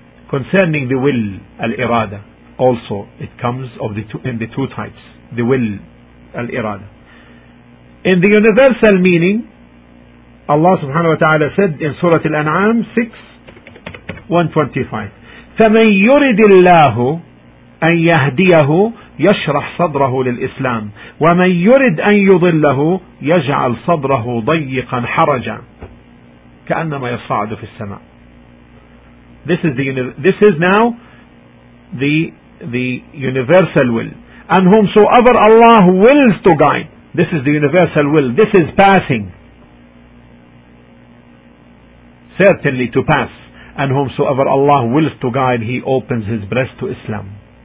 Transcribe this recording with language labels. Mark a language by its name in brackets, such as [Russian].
[English] Concerning the will, al-irada, also it comes of the two types, the will, al-irada. In the universal meaning, Allah subhanahu wa ta'ala said in Surah Al-An'am 6:125, [Arabic] فمن يرد الله أن يهديه يشرح صدره للإسلام، ومن يرد أن يضله يجعل صدره ضيقا حرجا كأنما يصعد في السماء. [English] This is now the universal will. And whomsoever Allah wills to guide, this is the universal will. This is passing, certainly to pass. And whomsoever Allah wills to guide, he opens his breast to Islam.